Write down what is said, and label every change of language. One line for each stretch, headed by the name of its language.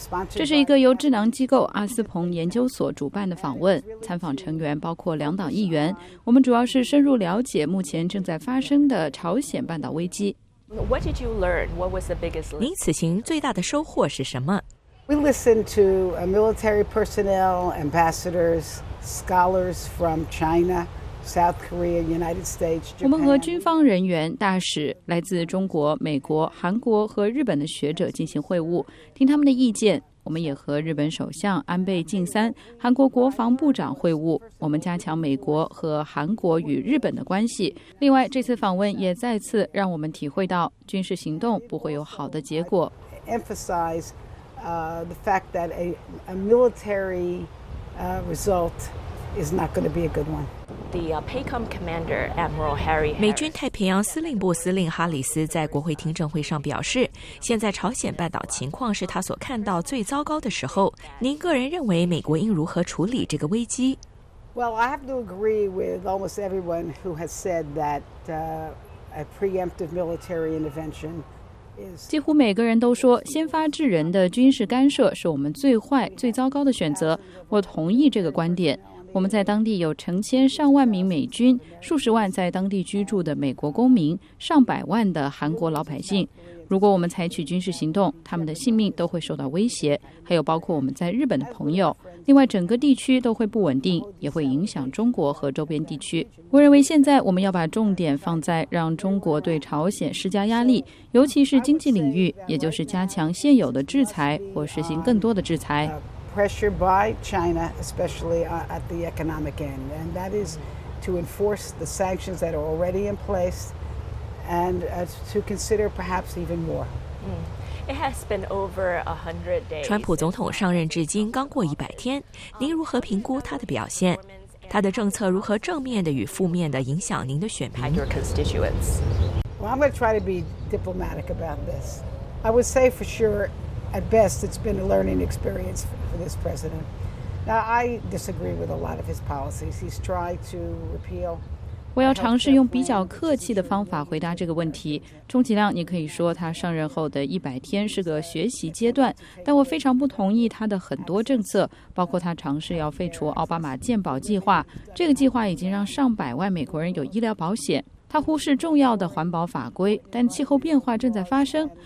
Chinese: 这是一个由智囊机构阿斯彭研究所主办的访问，参访成员包括两党议员。我们主要是深入了解目前正在发生的朝鲜半岛危机。
English: What did you learn? What was the biggest?
Chinese: 您此行最大的收获是什么？
English: We listened to military personnel, ambassadors, scholars from China, South Korea, United States, Japan.
Chinese: 我们和军方人员、大使、来自中国、美国、韩国和日本的学者进行会晤，听他们的意见。我们也和日本首相安倍晋三、韩国国防部长会晤，我们加强美国和韩国与日本的关系。另外，这次访问也再次让我们体会到军事行动不会有好的结果。
English: Emphasize the fact that a military result is not going to be a good one. The PACOM commander Admiral Harry.
Chinese: 美军太平洋司令部司令哈里斯在国会听证会上表示，现在朝鲜半岛情况是他所看到最糟糕的时候。您个人认为美国应如何处理这个危机？
English: Well, I have to agree with almost everyone who has said that a preemptive military intervention.
Chinese: 几乎每个人都说，先发制人的军事干涉是我们最坏、最糟糕的选择。我同意这个观点。我们在当地有成千上万名美军，数十万在当地居住的美国公民，上百万的韩国老百姓。如果我们采取军事行动，他们的性命都会受到威胁，还有包括我们在日本的朋友。另外，整个地区都会不稳定，也会影响中国和周边地区。我认为现在我们要把重点放在让中国对朝鲜施加压力，尤其是经济领域，也就是加强现有的制裁或实行更多的制裁。
English: Pressure by China, especially at the economic end, and that is to enforce the sanctions that are already in place, and to consider perhaps even more. It has been over 100 days.
Chinese: 川普总统上任至今刚过100天，您如何评估他的表现？他的政策如何正面的与负面的影响您的选民
English: ？Your constituents. Well, I'm going to try to be diplomatic about this. I would say for sure. At best, it's been a learning experience for this president. Now, I disagree with a lot of his policies. He's tried to repeal.
Chinese: 我要尝试用比较客气的方法回答这个问题。充其量，你可以说他上任后的一百天是个学习阶段，但我非常不同意他的很多政策，包括他尝试要废除奥巴马健保计划。这个计划已经让上百万美国人有医疗保险。他忽视重要的环保法规，但气候变化正在发生。